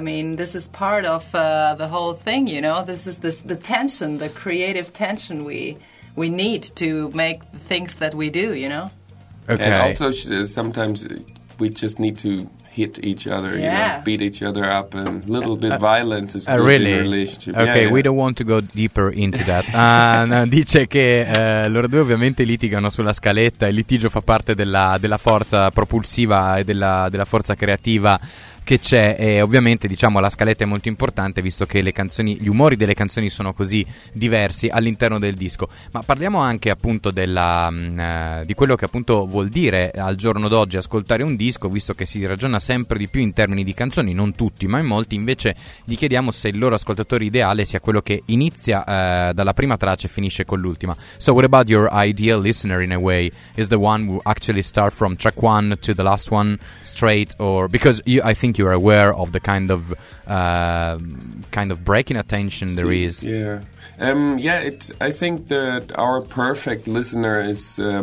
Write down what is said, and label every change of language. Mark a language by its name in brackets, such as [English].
[English] I mean, this is part of the whole thing, you know. This is the tension, the creative tension we need to make the things that we do, you know. Okay. And also, sometimes we just need to hit each other, you know, beat each other up, and a little bit violence is good really? In a relationship. Okay, yeah, yeah. We don't want to go deeper into that. [Italian] no, dice che loro due ovviamente litigano sulla scaletta, il litigio fa parte della forza propulsiva e della forza creativa che c'è, e ovviamente diciamo la scaletta è molto importante visto che le canzoni, gli umori delle canzoni sono così diversi all'interno del disco. Ma parliamo anche appunto di quello che appunto vuol dire al giorno d'oggi ascoltare un disco, visto che si ragiona sempre di più in termini di canzoni, non tutti ma in molti. Invece gli chiediamo se il loro ascoltatore ideale sia quello che inizia dalla prima traccia e finisce con l'ultima. [English] So what about your ideal listener in a way? Is the one who actually start from track one to the last one straight, or because I think you are aware of the kind of breaking attention there is. Yeah, it's. I think that our perfect listener is